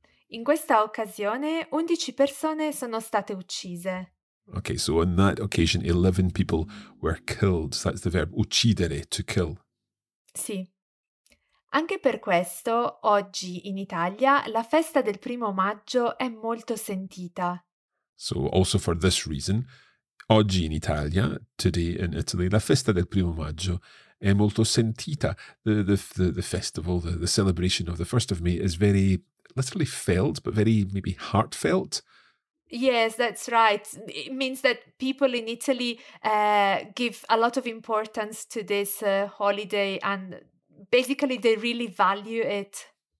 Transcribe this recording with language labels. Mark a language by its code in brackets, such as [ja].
[it] In questa occasione, 11 persone sono state uccise. [en] Okay, so on that occasion, 11 people were killed. So that's the verb uccidere, to kill. [it] Sì. Anche per questo, oggi in Italia, la festa del primo maggio è molto sentita. [en] So also for this reason, [it] oggi in Italia, [en] today in Italy, [it] la festa del primo maggio è molto sentita. [en] The festival, the celebration of the 1st of May is very, literally felt, but very maybe heartfelt. Yes, that's right. It means that people in Italy give a lot of importance to this holiday, and basically they really value it.